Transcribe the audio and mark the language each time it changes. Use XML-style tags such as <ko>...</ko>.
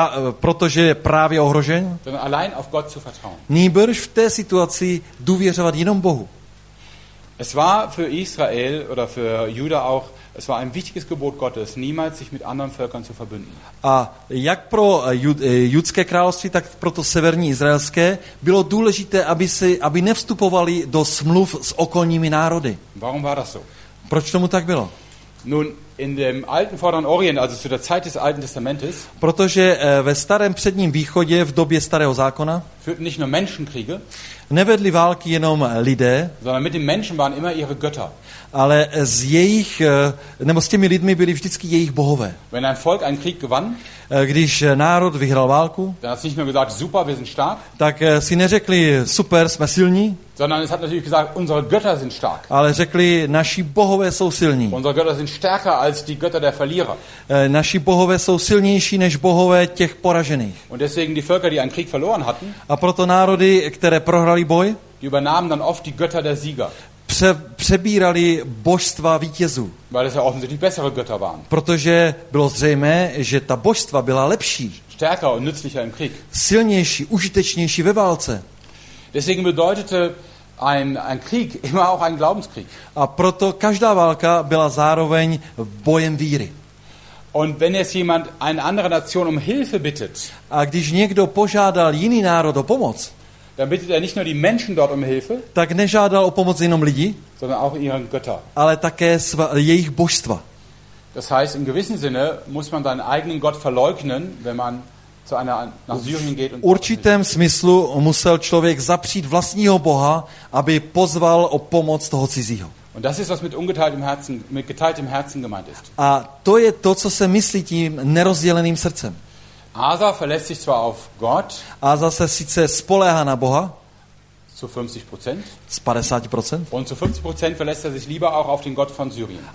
<cs>Protože je právě ohrožen.</cs> <de>Sondern allein auf Gott zu vertrauen.</de> <cs>Nýbrž v té situaci důvěřovat jenom Bohu.</cs> <de>Es war für Israel oder für Juda auch, es war ein wichtiges Gebot Gottes, niemals sich mit anderen Völkern zu verbünden.</de> <cs>A jak pro judské království, tak pro to severní izraelské bylo důležité, aby nevstupovali do smluv s okolními národy.</cs> <de>Warum war das so?</de> <cs>Proč tomu tak bylo?</cs> <de>Nun, in dem alten Vorderen Orient, also zu der Zeit des Alten Testamentes,</de> <cs>protože ve starém předním východě, v době starého zákona,</cs> <de>führten nicht nur Menschenkriege,</de> <cs>nevedli války jenom lidé,</cs> <de>sondern mit den Menschen waren immer ihre Götter.</de> <cs>Ale s jejich, nebo s těmi lidmi byli vždycky jejich bohové.</cs> <de>Wenn ein Volk einen Krieg gewann,</de> <cs>když národ vyhrál válku,</cs> <de>dann hat es nicht nur gesagt, super, wir sind stark,</de> <cs>tak si neřekli, super, jsme silní,</cs> <de>sondern es hat natürlich gesagt, unsere Götter sind stark.</de> <cs>Ale řekli, naši bohové jsou silní.</cs> <de>Unsere Götter sind stärker als die Götter der Verlierer.</de> <cs>Naši bohové jsou silnější než bohové těch poražených.</cs> <de>Und deswegen die Völker, die einen Krieg verloren hatten,</de> <cs>a proto národy, které prohrali boj,</cs> <de>die übernahmen dann oft die Götter der Sieger.</de> <cs>Přebírali božstva vítězů.</cs> <de>Weil es ja offensichtlich bessere Götter waren.</de> <cs>Protože bylo zřejmé, že ta božstva byla lepší.</cs> <de>Stärker und nützlicher im Krieg.</de> <cs>Silnější, užitečnější ve válce.</cs> <de>Deswegen bedeutete ein Krieg immer auch ein Glaubenskrieg.</de> <cs>A proto každá válka byla zároveň bojem víry.</cs> <de>Und wenn jetzt jemand eine andere Nation um Hilfe bittet.</de> <cs>A když někdo požádal jiný národ o pomoc.</cs> <de>Dann bittet er nicht nur die Menschen dort um Hilfe.</de> <cs>Tak nežádal o pomoc jenom lidi.</cs> <de>Sondern auch ihren Götter.</de> <cs>Ale také jejich božstva.</cs> <de>Das heißt, in gewissem Sinne muss man seinen eigenen Gott verleugnen, wenn man zu einer nach Syrien geht.</de> <cs>V určitém smyslu musel člověk zapřít vlastního Boha, aby pozval o pomoc toho cizího.</cs> <de>Und das ist was mit ungeteiltem Herzen, mit geteiltem Herzen gemeint ist.</de> <cs>A to je to, co se myslí tím nerozděleným srdcem.</cs> <de>Asa verlässt sich zwar auf Gott.</de> <cs>Asa se sice spoléhá na Boha.</cs> <de>Zu 50%.</de> <cs>Z 50%.</cs> <de>Und zu 50% verlässt er sich lieber auch auf den Gott von Syrien.</de>